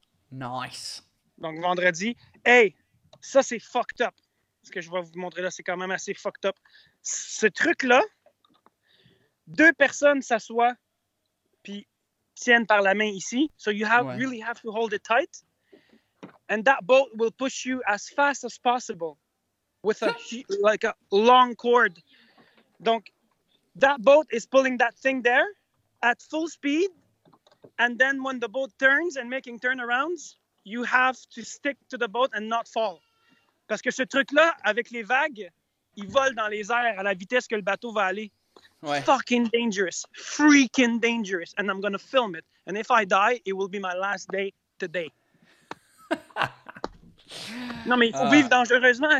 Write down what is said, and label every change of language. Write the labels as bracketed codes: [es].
[en] Nice. [fr] Donc vendredi. Hey, ça c'est fucked up. Ce que je vais vous montrer là, c'est quand même assez fucked up. Ce truc-là, deux personnes s'assoient puis tiennent par la main ici. [en] So you have [fr] ouais. [en] really have to hold it tight. And that boat will push you as fast as possible with a like a long cord. Donc, that boat is pulling that thing there at full speed. And then when the boat turns and making turnarounds, you have to stick to the boat and not fall. [fr] Parce que ce truc-là, avec les vagues, il vole dans les airs à la vitesse que le bateau va aller. Ouais. [en] Fucking dangerous. Freaking dangerous. And I'm going to film it. And if I die, it will be my last day today. [fr] Non, mais il faut vivre dangereusement.